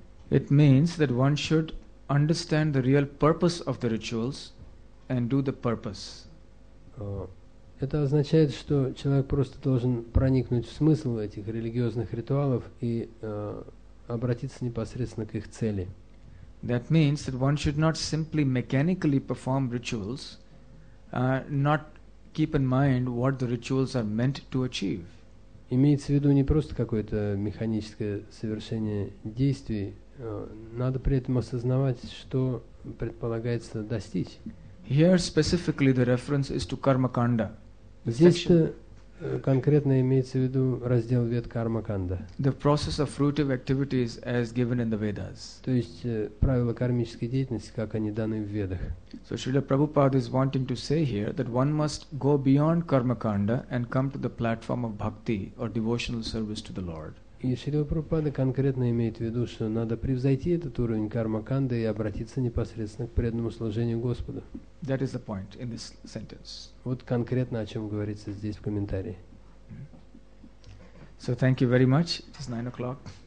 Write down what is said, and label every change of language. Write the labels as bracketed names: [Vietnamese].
[English] It means that one should understand the real purpose of the rituals and do the purpose. [Russian] Это означает, что человек просто должен проникнуть в смысл этих религиозных ритуалов и обратиться непосредственно к их цели. [English] That means that one should not simply mechanically perform rituals, not keep in mind what the rituals are meant to achieve. [Russian] Имеется в виду не просто какое-то механическое совершение действий, надо при этом осознавать, что предполагается достичь. [English] Here specifically the reference is to Karma Kanda. [Russian] Здесь-то Конкретно имеется в виду раздел Вед Кармаканда. [English] The process of fruitive activities as given in the Vedas. [Russian] То есть правила кармической деятельности, как они даны в Ведах. [English] So Srila Prabhupada is wanting to say here that one must go beyond Karmakanda and come to the platform of bhakti or devotional service to the Lord. [Russian] И Шрила Прабхупада конкретно имеет в виду, что надо превзойти этот уровень кармаканды и обратиться непосредственно к преданному служению Господу. [English] That is the point in this sentence. [Russian] Вот конкретно о чем говорится здесь в комментарии. [English] So thank you very much. It's 9 o'clock.